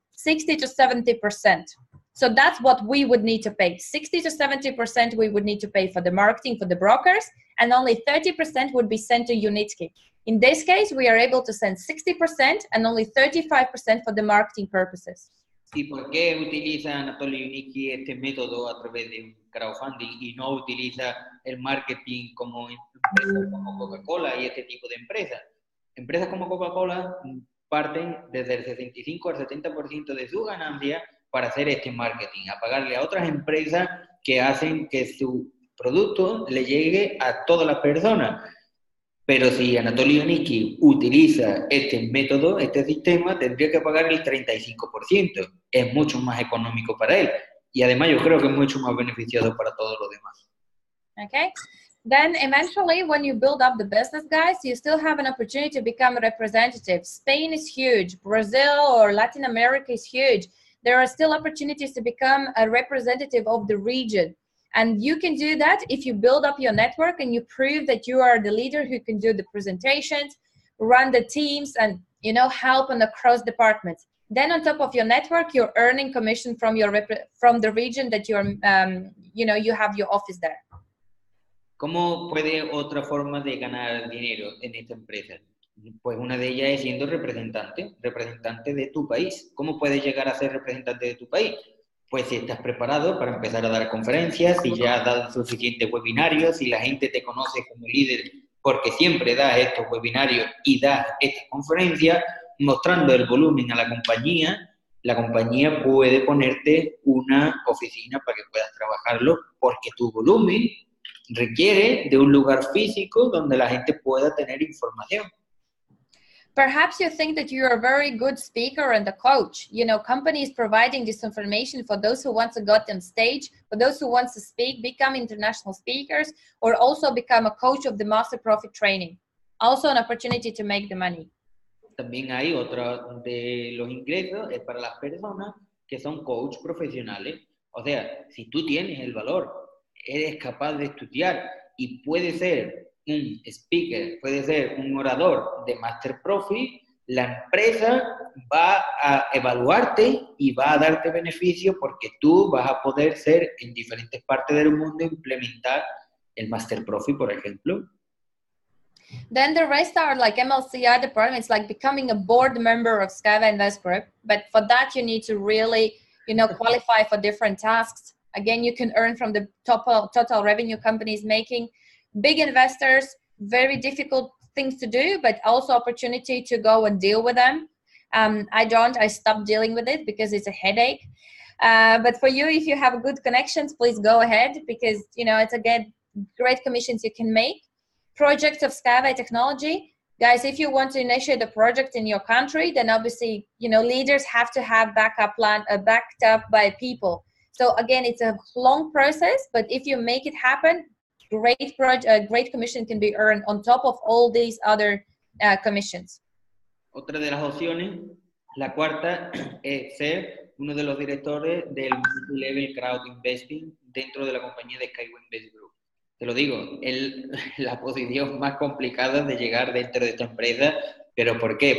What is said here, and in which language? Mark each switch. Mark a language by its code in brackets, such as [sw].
[en] 60 to 70%. So that's what we would need to pay. 60 to 70% we would need to pay for the marketing, for the brokers, and only 30% would be sent to Unitsky. In this case, we are able to send 60% and only 35% for the marketing purposes. [es] ¿Y por qué utiliza Anatoly Unitsky este método a través de un crowdfunding y no utiliza el marketing como empresa como Coca-Cola y este tipo de empresas? Empresas como Coca-Cola parten desde el 65 al 70% de su ganancia para hacer este marketing, a pagarle a otras empresas que hacen que su producto le llegue a todas las personas. Pero si Anatoly Unitsky utiliza este método, este sistema, tendría que pagar el 35%. Es mucho más económico para él. Y además yo creo que es mucho más beneficioso para todos los demás. [en] Okay. Then eventually when you build up the business, guys, you still have an opportunity to become a representative. Spain is huge. Brazil or Latin America is huge. There are still opportunities to become a representative of the region. And you can do that if you build up your network and you prove that you are the leader who can do the presentations, run the teams, and, you know, help on across departments. Then on top of your network, you're earning commission from your from the region that you're, you know, you have your office there. [es] ¿Cómo puede otra forma de ganar dinero en esta empresa? Pues una de ellas es siendo representante de tu país. ¿Cómo puedes llegar a ser representante de tu país? Pues si estás preparado para empezar a dar conferencias, si ya has dado suficientes webinarios, si la gente te conoce como líder porque siempre das estos webinarios y das estas conferencias, mostrando el volumen a la compañía puede ponerte una oficina para que puedas trabajarlo porque tu volumen requiere de un lugar físico donde la gente pueda tener información. [en] Perhaps you think that you're a very good speaker and a coach. You know, companies providing this information for those who want to go on stage, for those who want to speak, become international speakers, or also become a coach of the Master Profi training. Also an opportunity to make the money. [es] También hay otro de los ingresos es para las personas que son coach profesionales. O sea, si tú tienes el valor, eres capaz de estudiar y puedes ser un speaker, puedes ser un orador de Master Profi, la empresa va a evaluarte y va a darte beneficio porque tú vas a poder ser en diferentes partes del mundo implementar el Master Profi, por ejemplo. [en] Then the rest are like MLCI departments, like becoming a board member of SkyWay Invest Group. But for that, you need to really, you know, qualify for different tasks. Again, you can earn from the total revenue companies making. Big investors, very difficult things to do, but also opportunity to go and deal with them. I stopped dealing with it because it's a headache. But for you, if you have good connections, please go ahead because, you know, it's again great commissions you can make. Projects of SkyWay technology. Guys, if you want to initiate a project in your country, then obviously, you know, leaders have to have backup plan, backed up by people. So again, it's a long process, but if you make it happen, great commission can be earned on top of all these other commissions. [es] Otra de las opciones, la cuarta, es ser uno de los directores del multi-level crowd investing dentro de la compañía de SkyWay Invest Group. Te lo digo, es la posición más complicada de llegar dentro de esta empresa. ¿Pero por qué?